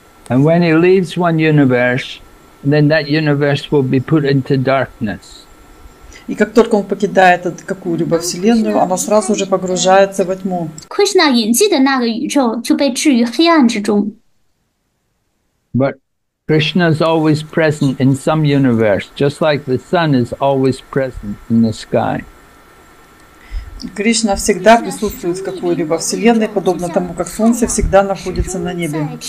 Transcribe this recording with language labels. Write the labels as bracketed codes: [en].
[en] And when he leaves one universe, then that universe will be put into darkness. [ru] И как только он покидает какую-либо вселенную, она сразу же погружается во тьму. [zh] Krishna 隐迹的那个宇宙就被置于黑暗之中. [en] But Krishna is always present in some universe, just like the sun is always present in the sky. [ru] Кришна всегда присутствует в какой-либо вселенной, подобно тому, как солнце всегда находится на небе.